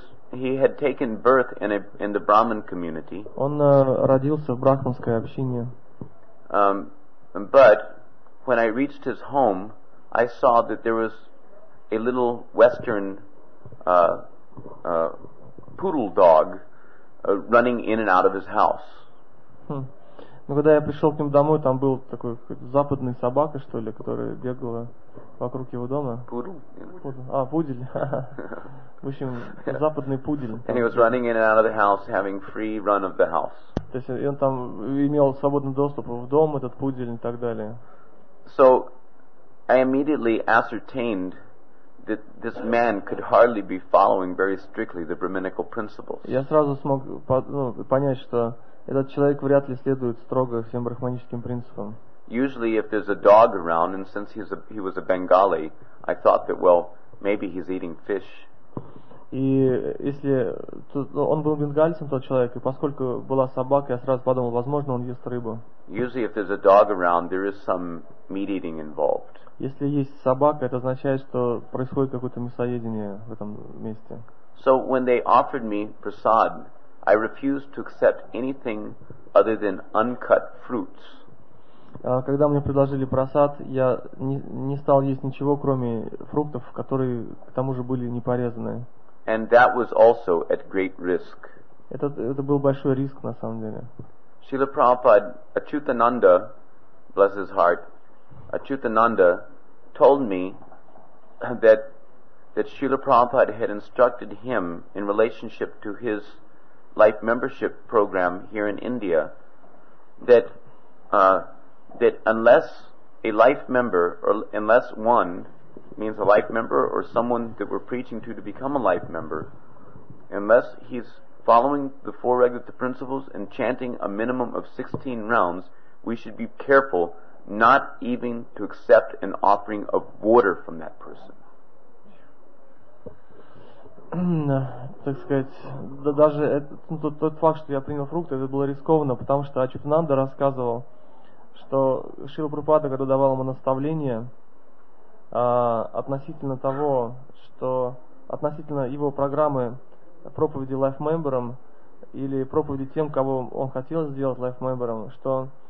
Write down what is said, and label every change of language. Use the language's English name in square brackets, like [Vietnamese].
[English] He had taken birth in the Brahmin community. [Russian] Он родился в брахманской общине. [English] But when I reached his home, I saw that there was a little Western poodle dog running in and out of his house. [Russian] Ну, когда я пришел к нему домой, там был такой западный собака, что ли, которая бегала вокруг его дома. Пудель. В общем, западный пудель. [English] And he was running in and out of the house, having free run of the house. [Russian] То есть он там имел свободный доступ в дом, этот пудель и так далее. [English] So I immediately ascertained that this man could hardly be following very strictly the brahminical principles. [Russian] Я сразу смог понять, что этот человек вряд ли следует строго всем брахманическим принципам. [English] Usually if there's a dog around, and since he was a Bengali, I thought that, well, maybe he's eating fish. [Russian] И если он был бенгальцем, тот человек, и поскольку была собака, я сразу подумал, возможно, он ест рыбу. [English] Usually if there's a dog around, there is some meat eating involved. [Russian] Если есть собака, это означает, что происходит какое-то мясоедение в этом месте. [English] So when they offered me prasad, I refused to accept anything other than uncut fruits. [Russian] Когда мне предложили просад, я не стал есть ничего, кроме фруктов, которые к тому же были не порезаны. [English] And that was also at great risk. [Russian] Это был большой риск на самом деле. [English] Srila Prabhupada, Achyutananda, bless his heart, Achyutananda told me that Srila Prabhupada had instructed him in relationship to his life membership program here in India that unless a life member or unless one means a life member or someone that we're preaching to become a life member, unless he's following the four regulative principles and chanting a minimum of 16 rounds, we should be careful not even to accept an offering of water from that person. [Russian] Так сказать, да, даже тот факт, что я принял фрукты, это было рискованно, потому что Ачутананда рассказывал, что Шрила Прабхупада, когда давал ему наставление относительно того, что относительно его программы проповеди лайфмембером или проповеди тем, кого он хотел сделать лайфмембером, что